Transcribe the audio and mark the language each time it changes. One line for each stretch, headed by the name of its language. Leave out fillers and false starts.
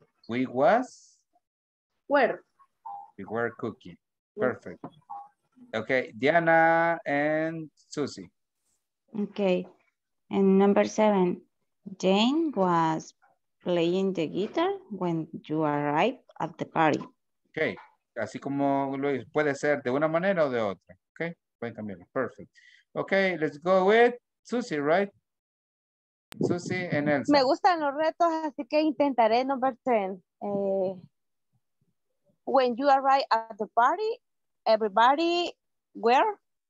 English: We were cooking. Perfect. Okay, Diana and Susie. Okay, and number seven. Jane was playing the guitar when you arrived at the party. Okay.
Spanish: Así como Luis, puede ser de una manera o de otra.
English: Ok,
Spanish: pueden cambiar.
English: Perfect. Ok, let's go with Susie, right? Susie and Elsa.
Spanish: Me gustan los retos, así que intentaré
English: number 10. When you arrive at the party, everybody where?